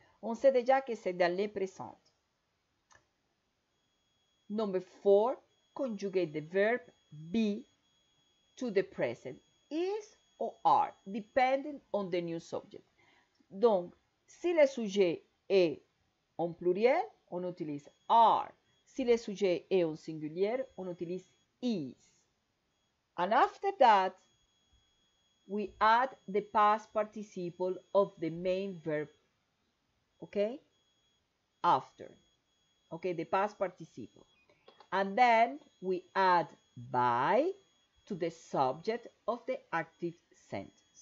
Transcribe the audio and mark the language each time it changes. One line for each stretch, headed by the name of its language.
French: On sait déjà que c'est dans le présent.
English: Number four, conjugate the verb be to the present. Is or are, depending on the new subject.
French: Donc, si le sujet est en pluriel, on utilise are. Si le sujet est en singulier, on utilise is.
English: And after that, we add the past participle of the main verb. Okay? After. Okay, the past participle. And then we add by to the subject of the active sentence.